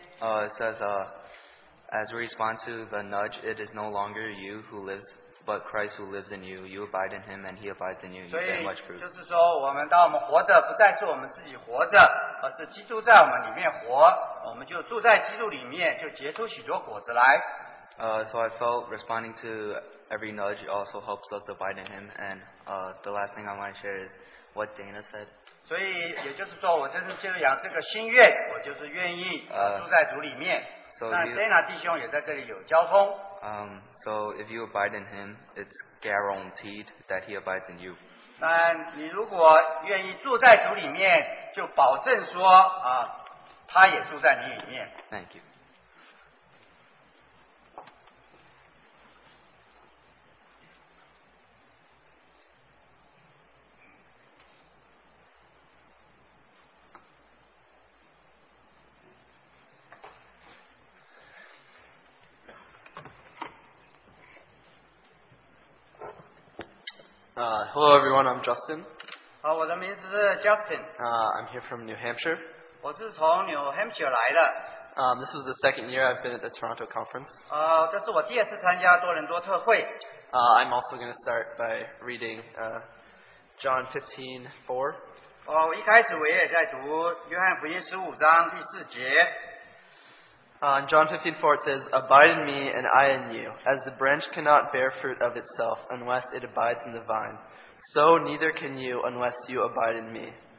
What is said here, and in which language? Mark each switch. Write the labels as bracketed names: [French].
[English] It says, as we respond to the nudge, it is no longer you who lives, but Christ who lives in you. You abide in him, and he abides in you. You bear much fruit. [Chinese] 所以就是说，我们当我们活着，不再是我们自己活着，而是基督在我们里面活。我们就住在基督里面，就结出许多果子来。 [English] So I felt responding to every nudge also helps us abide in him and The last thing I want to share is what Dana said. [Chinese] 所以也就是说，我就是信仰这个心愿，我就是愿意住在主里面。 [English] So if you abide in him, it's guaranteed that he abides in you. [Chinese] 那你如果愿意住在主里面，就保证说啊，他也住在你里面。 [English] Thank you. Hello everyone, I'm Justin. [Chinese] 我的名字是Justin. [English] I'm here from New Hampshire. [Chinese] 我是从New Hampshire来的。 [English] This is the second year I've been at the Toronto Conference. [Chinese] 这是我第二次参加多伦多特会。 [English] I'm also going to start by reading John 15:4. [Chinese] 我一开始我也在读约翰福音15章第四节。 [English] In John 15:4 it says, "Abide in me and I in you. As the branch cannot bear fruit of itself unless it abides in the vine, so neither can you unless you abide in me."